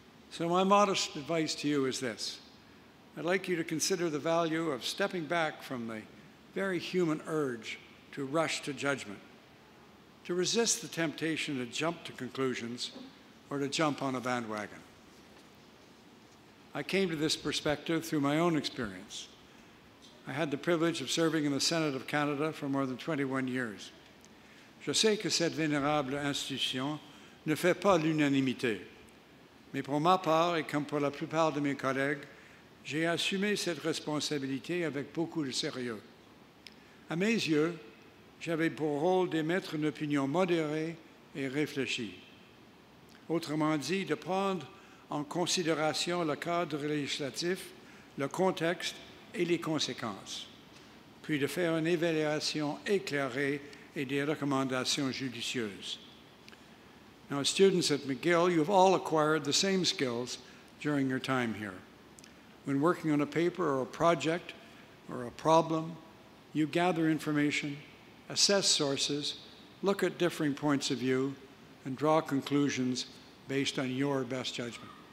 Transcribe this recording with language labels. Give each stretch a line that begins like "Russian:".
English: So my modest advice to you is this. I'd like you to consider the value of stepping back from the very human urge to rush to judgment, to resist the temptation to jump to conclusions or to jump on a bandwagon. I came to this perspective through my own experience. I had the privilege of serving in the Senate of Canada for more than 21 years.
French: Je sais que cette vénérable institution ne fait pas l'unanimité. Mais pour ma part, et comme pour la plupart de mes collègues, j'ai assumé cette responsabilité avec beaucoup de sérieux. À mes yeux, j'avais pour rôle d'émettre une opinion modérée et réfléchie. Autrement dit, de prendre en considération le cadre législatif, le contexte et les conséquences, puis de faire une évaluation éclairée et des recommandations judicieuses.
English: Now, students at McGill, you have all acquired the same skills during your time here. When working on a paper or a project or a problem, you gather information, assess sources, look at differing points of view, and draw conclusions based on your best judgment.